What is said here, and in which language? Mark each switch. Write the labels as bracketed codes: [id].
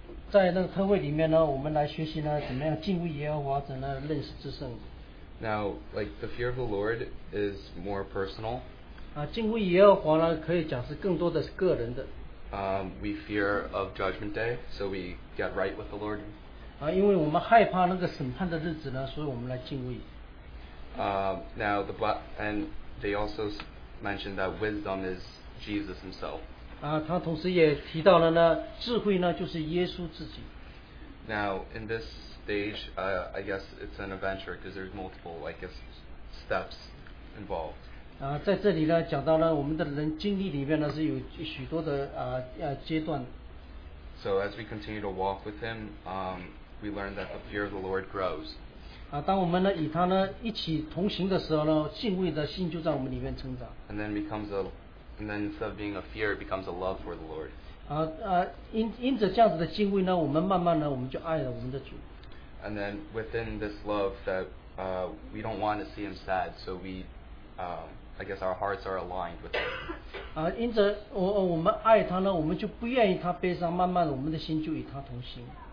[zh] 在那个特会里面呢，我们来学习呢，怎么样敬畏耶和华，怎么样认识至圣。 [en] Now, like the fear of the Lord is more personal. [zh] 敬畏耶和华呢，可以讲是更多的是个人的。 [en] We fear of judgment day, so we get right with the Lord. [zh] 因为我们害怕那个审判的日子呢，所以我们来敬畏。 [en] Now the and they also mentioned that wisdom is Jesus Himself. [zh] 他同时也提到了呢，智慧呢就是耶稣自己。 [en] Now in this stage, I guess it's an adventure because there's multiple, I guess, steps involved. [zh] 在这里呢讲到了我们的人经历里面呢是有许多的阶段。 [en] So as we continue to walk with him, we learn that the fear of the Lord grows. [zh] 当我们呢与他呢一起同行的时候呢，敬畏的心就在我们里面成长。 [en] And then becomes a And then instead of being a fear, it becomes a love for the Lord. [zh] 因着这样子的敬畏呢，我们慢慢呢，我们就爱了我们的主。 [en] And then within this love that we don't want to see him sad, so we, I guess our hearts are aligned with him. [zh] 因着我们爱他呢，我们就不愿意他悲伤，慢慢的我们的心就与他同行。